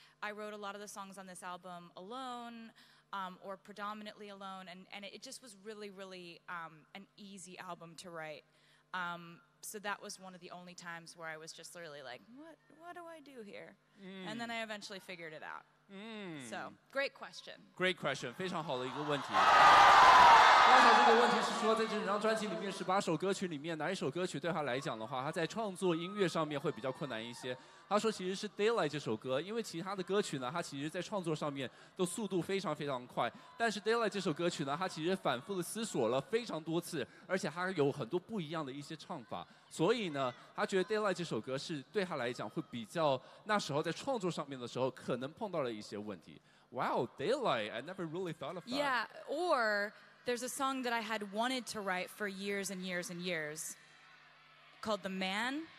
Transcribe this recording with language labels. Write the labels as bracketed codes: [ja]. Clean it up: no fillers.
[en] I wrote a lot of the songs on this album alone. Or predominantly alone, and it just was really, really an easy album to write. So that was one of the only times where I was just really like, what do I do here?、Mm. And then I eventually figured it out.、 Mm. So, great question. Great question. [zh] 非常好的一个问题。刚才这个问题是说，在这张专辑里面18首歌曲里面，哪一首歌曲对他来讲的话，他在创作音乐上面会比较困难一些？他说其实是 Daylight 这首歌，因为其他的歌曲呢，他其实在创作上面都速度非常非常快，但是 Daylight 这首歌曲呢，他其实反复的思索了非常多次，而且他有很多不一样的一些唱法，所以呢，他觉得 Daylight 这首歌是对他来讲会比较那时候在创作上面的时候可能碰到了一些问题。 [en] Wow, Daylight, I never really thought of that. Yeah, or there's a song that I had wanted to write for years and years and years called The Man.